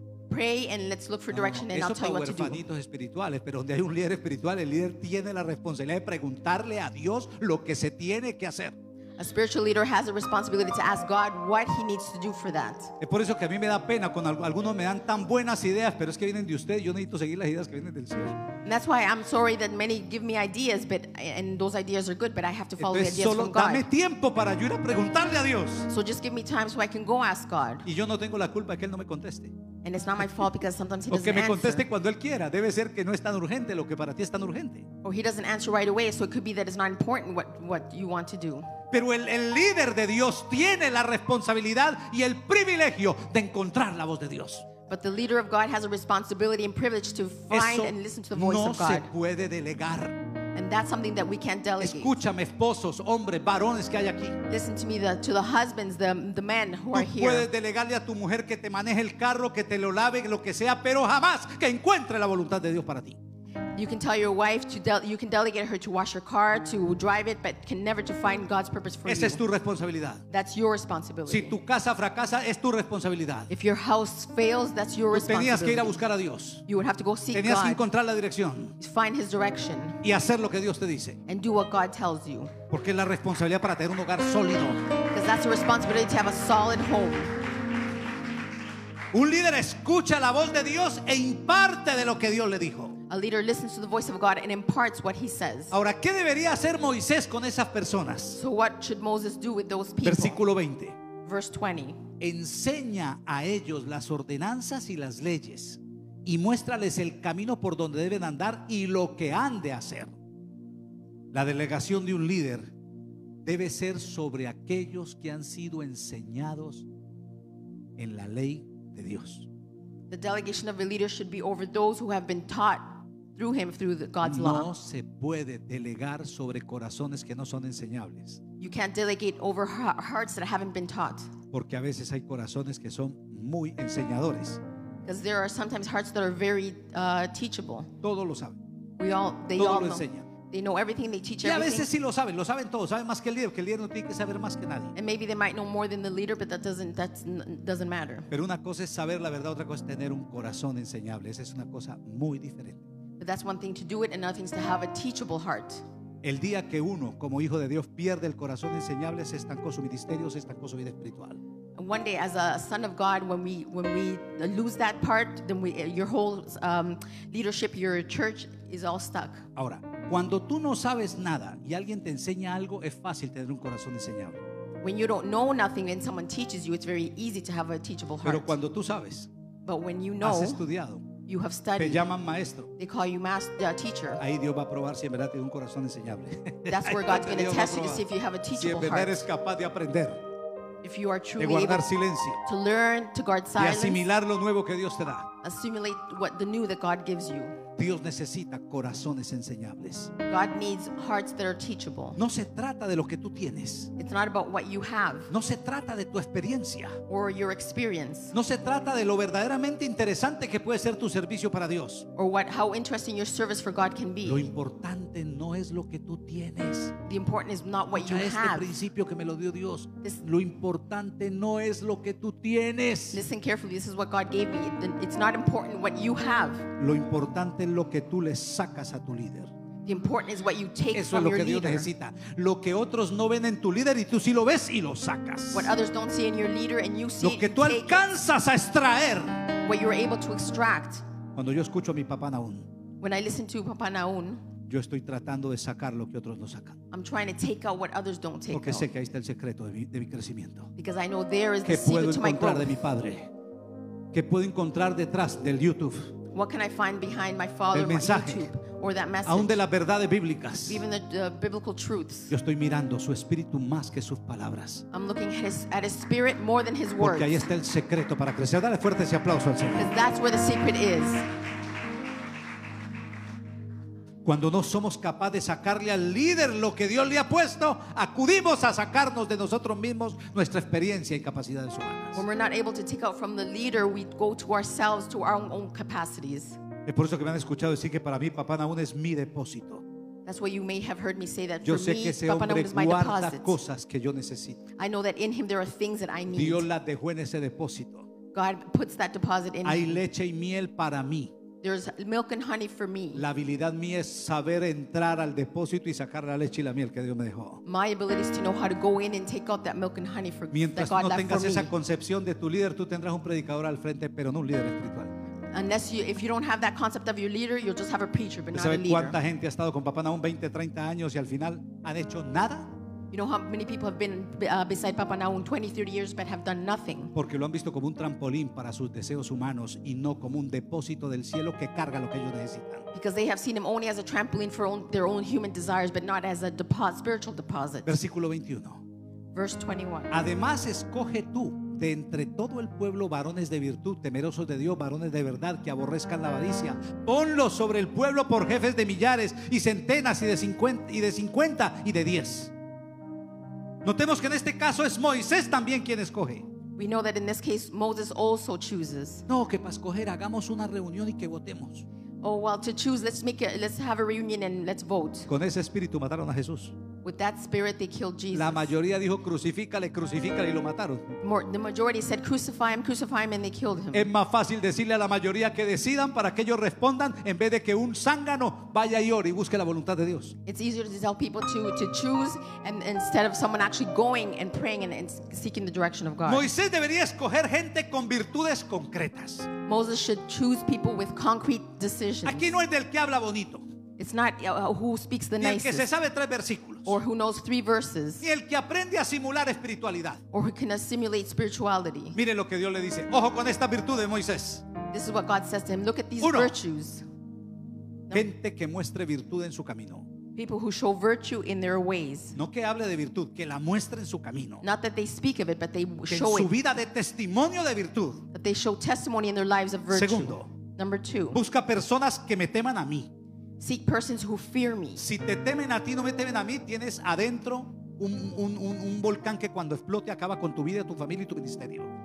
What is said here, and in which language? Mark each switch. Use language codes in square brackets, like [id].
[en] Pray and let's look for direction and I'll tell you what to do. [es] Eso para huérfanitos espirituales, pero donde hay un líder espiritual, el líder tiene la responsabilidad de preguntarle a Dios lo que se tiene que hacer. [en] A spiritual leader has a responsibility to ask God what he needs to do for that. [es] Es por eso que a mí me da pena cuando algunos me dan tan buenas ideas, pero es que vienen de usted. Yo necesito seguir las ideas que vienen del cielo. [en] That's why I'm sorry that many give me ideas, but and those ideas are good, but I have to follow [es] Entonces, [en] the ideas from God. [es] Solo dame tiempo para yo ir a preguntarle a Dios. [en] So just give me time so I can go ask God. [es] Y yo no tengo la culpa que él no me conteste. [en] And it's not my fault because sometimes he doesn't answer. [es] O que me conteste cuando él quiera. Debe ser que no es tan urgente lo que para ti es tan urgente. [en] Or he doesn't answer right away, so it could be that it's not important what you want to do. [es] Pero el líder de Dios tiene la responsabilidad y el privilegio de encontrar la voz de Dios. [en] But the leader of God has a responsibility and privilege to find [es] Eso [en] and listen to the voice [es] no [en] of God. [es] Se puede delegar. [en] And that's something that we can't delegate. [es] Escúchame, esposos, hombres, varones que hay aquí. [en] Listen to me, to the husbands, the men who are here. [es] Puedes delegarle a tu mujer que te maneje el carro, que te lo lave, lo que sea, pero jamás que encuentre la voluntad de Dios para ti. [en] You can tell your wife to you can delegate her to wash your car, to drive it, but can never to find God's purpose for [es] Esa [en] you. [es] Es tu responsabilidad. [en] That's your responsibility. [es] Si tu casa fracasa, es tu responsabilidad. [en] If your house fails, that's your responsibility. [es] Tenías que ir a buscar a Dios. [en] You would have to go seek [es] Tenías [en] God. [es] Que encontrar la dirección. [en] Find his direction. [es] Y hacer lo que Dios te dice. [en] And do what God tells you. [es] Porque es la responsabilidad para tener un hogar sólido. [en] Because that's the responsibility to have a solid home. [es] Un líder escucha la voz de Dios e imparte de lo que Dios le dijo. [en] A leader listens to the voice of God and imparts what he says. [es] Ahora, ¿qué debería hacer Moisés con esas personas? [en] So what should Moses do with those people? [es] Versículo 20. [en] Verse 20. [es] Enseña a ellos las ordenanzas y las leyes y muéstrales el camino por donde deben andar y lo que han de hacer. La delegación de un líder debe ser sobre aquellos que han sido enseñados en la ley de Dios. [en] The delegation of a leader should be over those who have been taught through him through God's law. [es] No se puede delegar sobre corazones que no son enseñables. [en] You can't delegate over hearts that haven't been taught. [es] Porque a veces hay corazones que son muy enseñadores. [en] Because there are sometimes hearts that are very teachable. [es] Todos lo saben. [en] We all they [es] Todo [en] all [es] lo [en] know. [es] Enseñan. [en] They know everything, they teach [es] y a [en] everything. [es] Veces sí lo saben todos, saben más que el líder, que el líder no tiene que saber más que nadie. [en] And maybe they might know more than the leader, but that doesn't matter. [es] Pero una cosa es saber la verdad, otra cosa es tener un corazón enseñable. Esa es una cosa muy diferente. [en] But that's one thing to do it, and another thing is to have a teachable heart. [es] El día que uno, como hijo de Dios, pierde el corazón enseñable, se estancó su ministerio, se estancó su vida espiritual. [en] One day, as a son of God, when we lose that part, then your whole leadership, your church is all stuck. [es] Ahora. Cuando tú no sabes nada y alguien te enseña algo, es fácil tener un corazón enseñable. [en] When you don't know nothing and someone teaches you, it's very easy to have a teachable heart. [es] Pero cuando tú sabes, [en] But when you know, [es] has estudiado, [en] you have studied, [es] te llaman maestro. [en] They call you teacher. [es] Ahí Dios va a probar si en verdad tienes un corazón enseñable. [en] That's where God's going to test you to see if you have a teachable heart. [es] Si en verdad eres capaz de aprender. [en] If you are truly [es] de guardar [en] able [es] silencio. [en] To learn, to guard silence. [es] Y asimilar lo nuevo que Dios te da. [en] Assimilate what the new that God gives you. [es] Dios necesita corazones enseñables. [en] God needs hearts that are teachable. [es] No se trata de lo que tú tienes. [en] It's not about what you have. [es] No se trata de tu experiencia. [en] Or your experience. [es] No se trata de lo verdaderamente interesante que puede ser tu servicio para Dios. [en] Or what, how interesting your service for God can be. [es] Lo importante no es lo que tú tienes. [en] The important is not what [es] Escucha [en] you [es] este [en] have. [es] Este principio que me lo dio Dios. Lo importante no es lo que tú tienes. [en] Listen carefully. This is what God gave me. It's not important what you have. [es] Lo importante lo que tú le sacas a tu líder. [en] The important is what you take [es] Eso es lo que Dios necesita. Lo que otros no ven en tu líder y tú sí lo ves y lo sacas. [en] What others don't see in your leader and you see [es] Lo que tú alcanzas [en] it. [es] A extraer. [en] What you're able to extract. [es] Cuando yo escucho a mi papá Nahum. [en] When I listen to Papa Naun, [es] yo estoy tratando de sacar lo que otros no sacan. [en] I'm trying to take out what others don't take. [es] Porque sé que ahí está el secreto de mi crecimiento. [en] Because I know there is the secret to my growth. [es] ¿Qué puedo encontrar de mi padre? ¿Qué puedo encontrar detrás del YouTube? [en] What can I find behind my father, [es] el mensaje, [en] my YouTube, or that message? [es] Aún de las verdades bíblicas. [en] Even the biblical truths. [es] Yo estoy mirando su espíritu más que sus palabras. [en] I'm looking at his spirit more than his words. [es] Porque ahí está el secreto para crecer. Dale fuerte ese aplauso al Señor. [en] Because that's where the secret is. [es] Cuando no somos capaces de sacarle al líder lo que Dios le ha puesto, acudimos a sacarnos de nosotros mismos nuestra experiencia y capacidades humanas. [en] When we're not able to take out from the leader, we go to ourselves, to our own capacities. [es] Es por eso que me han escuchado decir que para mí Papá Naun es mi depósito. [en] That's why you may have heard me say that. [es] Yo [en] for [es] sé [en] me, [es] que ese hombre guarda cosas que yo necesito. [en] I know that in him there are things that I need. [es] Dios las dejó en ese depósito. [en] God puts that deposit in. [es] Hay leche y miel para mí. [en] There's milk and honey for me. [es] La habilidad mía es saber entrar al depósito y sacar la leche y la miel que Dios me dejó. [en] My ability is to know how to go in and take out that milk and honey for [es] mientras [en] that God [es] no [en] left [es] tengas [en] for [es] esa [en] me. [es] Concepción de tu líder, tú tendrás un predicador al frente, pero no un líder espiritual. [en] Unless you, if you don't have that concept of your leader, you'll just have a preacher, but not a leader. [es] ¿Cuánta gente ha estado con Papá Naun 20, 30 años y al final han hecho nada? [en] You know how many people have been beside Papa Naun 20, 30 years but have done nothing? [es] Porque lo han visto como un trampolín para sus deseos humanos y no como un depósito del cielo que carga lo que ellos necesitan. [en] Because they have seen him only as a trampoline for their own human desires but not as a spiritual deposit. [es] Versículo 21. [en] Verse 21. [es] Además, escoge tú de entre todo el pueblo varones de virtud, temerosos de Dios, varones de verdad que aborrezcan la avaricia. Ponlos sobre el pueblo por jefes de millares y centenas y de 50 y de 10. Notemos que en este caso es Moisés también quien escoge. [en] We know that in this case Moses also chooses. [es] No, que para escoger hagamos una reunión y que votemos. [en] Oh, well, to choose, let's have a reunion and let's vote. [es] Con ese espíritu mataron a Jesús. [en] With that spirit they killed Jesus. [es] La mayoría dijo crucifícale, crucifícale y lo mataron. [en] The majority said crucify him and they killed him. [es] Es más fácil decirle a la mayoría que decidan para que ellos respondan en vez de que un zángano vaya y ore y busque la voluntad de Dios. [en] It's easier to tell people to choose and instead of someone actually going and praying and seeking the direction of God. [es] Moisés debería escoger gente con virtudes concretas. [en] Moses should choose people with concrete decisions. [es] Aquí no es del que habla bonito. [en] It's not who speaks the nicest. [es] Ni el que se sabe tres versículos. [en] Or who knows three verses. [es] Ni el que aprende a simular espiritualidad. [en] Or who can assimilate spirituality. [es] Mire lo que Dios le dice. Ojo con esta virtud de Moisés. [en] This is what God says to him. Look at these [es] Uno, [en] virtues. [es] Gente que muestre virtud en su camino. [en] People who show virtue in their ways. [es] No que hable de virtud, que la muestre en su camino. [en] Not that they speak of it, but they show it. [es] Que su vida de testimonio de virtud. [en] That they show testimony in their lives of virtue. [es] Segundo. [en] Number two. [es] Busca personas que me teman a mí. [en] Seek persons who fear me. [es] Si te temen a ti, no me temen a mí, tienes adentro un volcán que cuando explote acaba con tu vida, tu familia y tu ministerio.